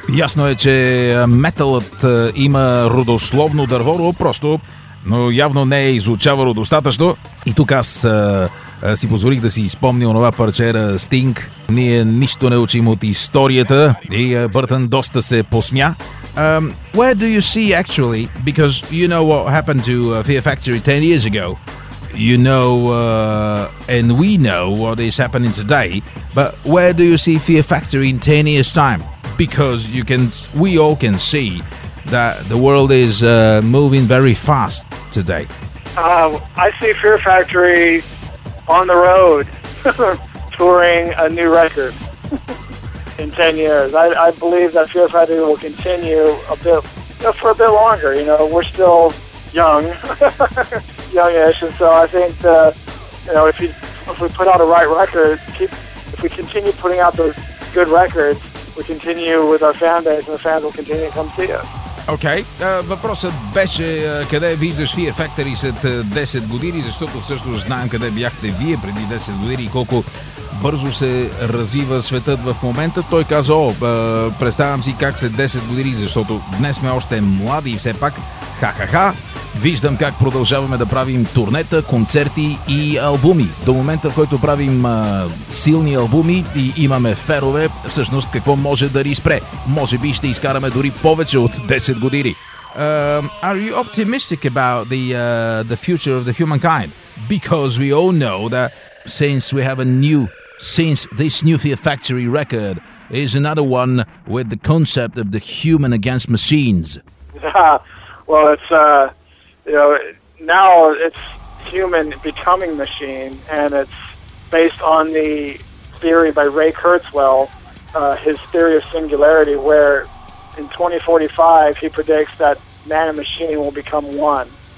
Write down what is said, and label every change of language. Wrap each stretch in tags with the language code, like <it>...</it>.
<bg>Ясно е, че металът има родословно дърво, просто, но явно не е изучавало достатъчно. И тук аз си позволих да си изпомня онова парчера Sting. Ние нищо не учим от историята. И Бъртън доста се посмя.</bg> <en>Where do you see actually, because you know what happened to Fear Factory 10 years ago, you know, and we know what is happening today, but where do you see Fear Factory in 10 years time? Because we all can see that the world is moving very fast today. I see Fear Factory on the road touring a new record in 10 years. I believe that Fear Factory will continue a bit, you know, for a bit longer. You know, we're still young, youngish, and so I think that, you know, if we put out a right record, if we continue putting out those good records, we continue with our fan base, and the fans will continue to come see us.</en> <bg>Окей, въпросът беше къде виждаш Fear Factory след 10 години, защото всъщност знаем къде бяхте вие преди 10 години и колко бързо се развива светът в момента. Той каза, представям си как след 10 години, защото днес сме още млади и все пак, ха-ха-ха, виждам как продължаваме да правим турнета, концерти и албуми. До момента, в който правим силни албуми и имаме ферове, всъщност какво може да ни спре? Може би ще изкараме дори повече от 10 години.</bg> <en>Are you optimistic about the future of the humankind? Because we all know that since this new Fear Factory record is another one with the concept of the human against machines. Well, it's you know, now it's human becoming machine, and it's based on the theory by Ray Kurzweil, his theory of singularity, where in 2045 he predicts that man and machine will become one.</en>